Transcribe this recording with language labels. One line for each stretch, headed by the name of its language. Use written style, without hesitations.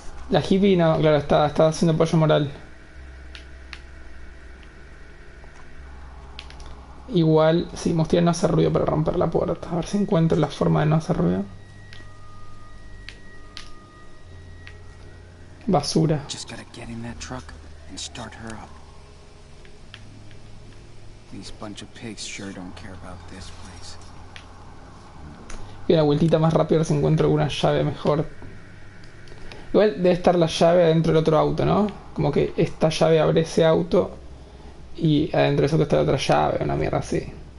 Spanish: La hippie no, claro, está haciendo apoyo moral. Igual, sí, me gustaría no hacer ruido para romper la puerta. A ver si encuentro la forma de no hacer ruido. Basura.
English: Just gotta get in that truck and start her up. These bunch of pigs sure don't care about this place.
Spanish: Y una vueltita más rápido si encuentro alguna llave mejor. Igual debe estar la llave adentro del otro auto, ¿no? Como que esta llave abre ese auto y adentro de eso está la otra llave, una mierda así.